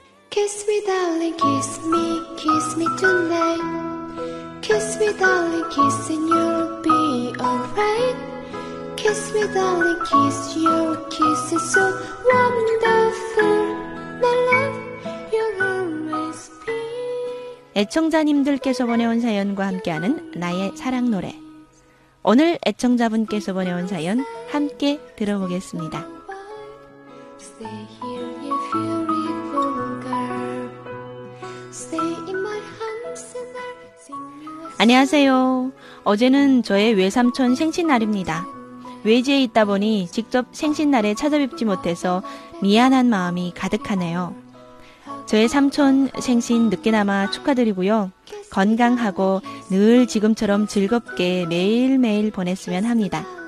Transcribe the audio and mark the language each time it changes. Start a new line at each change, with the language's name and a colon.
English: Kiss me, darling, kiss me tonight. Kiss me, darling, kiss and you'll be alright. Kiss me, darling, kiss your kiss is so wonderful. My love, you'll always be.
Korean: 애청자님들께서 보내온 사연과 함께하는 나의 사랑 노래. 오늘 애청자분께서 보내온 사연 함께 들어보겠습니다.
English: Stay here if you recall. Stay in my arms and I'll sing you a song.
Korean: 안녕하세요. 어제는 저의 외삼촌 생신날입니다. 외지에 있다 보니 직접 생신날에 찾아뵙지 못해서 미안한 마음이 가득하네요. 저의 삼촌 생신 늦게나마 축하드리고요. 건강하고 늘 지금처럼 즐겁게 매일매일 보냈으면 합니다.